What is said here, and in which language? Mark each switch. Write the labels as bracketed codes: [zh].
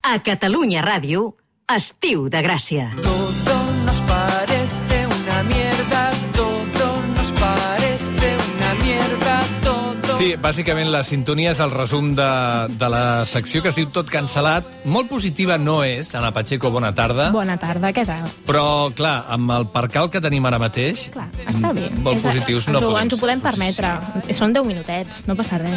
[ca] A Catalunya Ràdio, Estiu de Gràcia. [es] Todo nos parece una mierda, todo nos parece una mierda, todo... [ca] Sí, bàsicament la sintonia és el resum de la secció que es diu Tot Cancel·lat. Molt positiva no és. Ana Pacheco, bona tarda. Bona tarda, què tal? Però, clar, amb el percal que tenim ara mateix... Clar, està bé. Molt positius, no podem. Ens ho podem permetre. Sí. Són 10 minutets, no passa res.